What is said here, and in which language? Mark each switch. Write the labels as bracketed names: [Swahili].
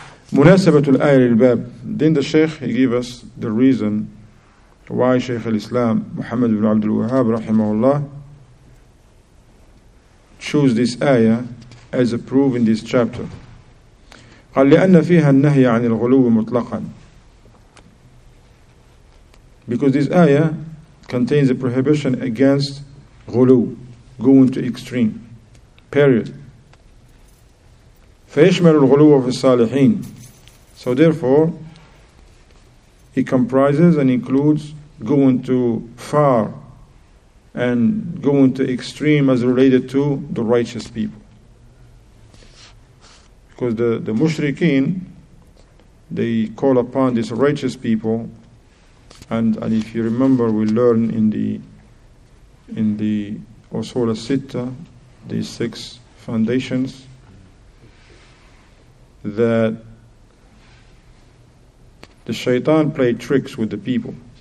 [English] Munasabatul ayah al-bab. Then the Shaykh, he gave us the reason why Shaykh al-Islam, Muhammad ibn Abdul Wahhab, rahimahullah, chose this ayah as a proof in this chapter. [Arabic] قال لأن فيها النهي عن الغلو مطلقا. [English] Because this ayah contains a prohibition against غلو, going to extreme, period. [Arabic] فيشمل الغلو في الصالحين. [English] So therefore, it comprises and includes going to far and going to extreme as related to the righteous people. Because the mushrikeen, they call upon these righteous people, and if you remember, we learn in the Usul al-Sitta, the six foundations, that the shaitan played tricks with the people.